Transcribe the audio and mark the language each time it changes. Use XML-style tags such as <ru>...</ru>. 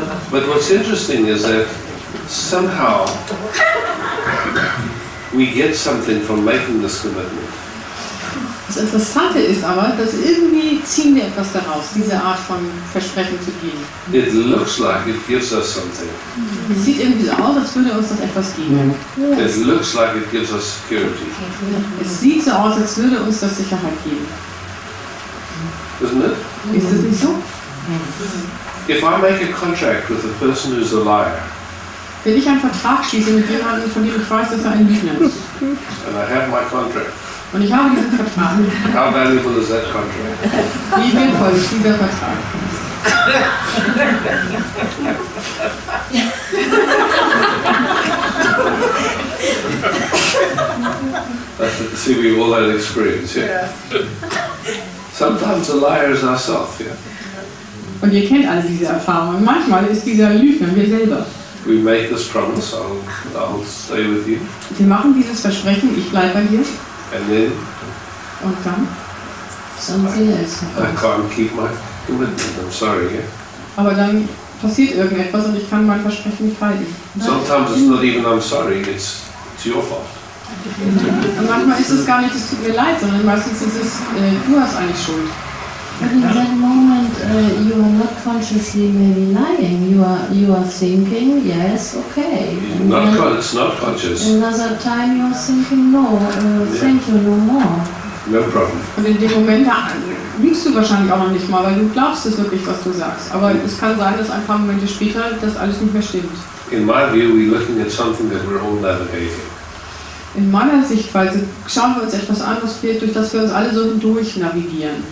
<en>But what's interesting is that somehow we get something from making this commitment.</en> <de>Das Interessante ist aber, dass irgendwie ziehen wir etwas daraus, diese Art von Versprechen zu geben.</de> <en>It looks like it gives us something. Mm-hmm.</en> <de>Es sieht irgendwie so aus, als würde uns das etwas geben. Mm-hmm.</de> <en>It looks like it gives us security. Mm-hmm.</en> <de>Es sieht so aus, als würde uns das Sicherheit geben.</de> <en>Isn't it?</en> <de>Ist das nicht so?</de> <en>If I make a contract with a person who's a liar,</en> <de>wenn ich einen Vertrag schließe mit jemandem, von dem ich weiß, dass er ein Lügner ist,</de> <en>and I have my contract.</en> <de>Und ich habe diesen Vertrag.</de> <en>How valuable is that contract?</en> <de>Wie wertvoll ist dieser Vertrag?</de> <en>See, we all had experience, yeah. Sometimes a liar is ourselves, yeah.</en> <de>Und ihr kennt also diese Erfahrung. Manchmal ist dieser Lügner wir selber.</de> <en>We make this promise, I'll stay with you.</en> <de>Wir machen dieses Versprechen, ich bleibe bei dir.</de> <en>And then?</en> <de>Und dann?</de> <en>Something else. I can't keep my commitment, I'm sorry, yeah.</en> <de>Aber dann passiert irgendetwas und ich kann mein Versprechen nicht halten.</de> <en>Sometimes it's not even I'm sorry, it's your fault.</en> <de>Und manchmal ist es gar nicht, es tut mir leid, sondern meistens ist es, du hast eigentlich Schuld.</de> <en>But in that moment, you are not consciously maybe lying. You are thinking, yes, okay. It's not conscious. Another time you are thinking, no, thank you, no more. No problem.</en> <de>Und in dem Moment lügst du wahrscheinlich auch noch nicht mal, weil du glaubst es wirklich, was du sagst. Aber es kann sein, dass ein paar Momente später das alles nicht mehr stimmt.</de> <en>In my view, we're looking at something that we're all navigating.</en> <de>In meiner Sichtweise schauen wir uns etwas an, durch das wir uns alle so hindurch navigieren.</de>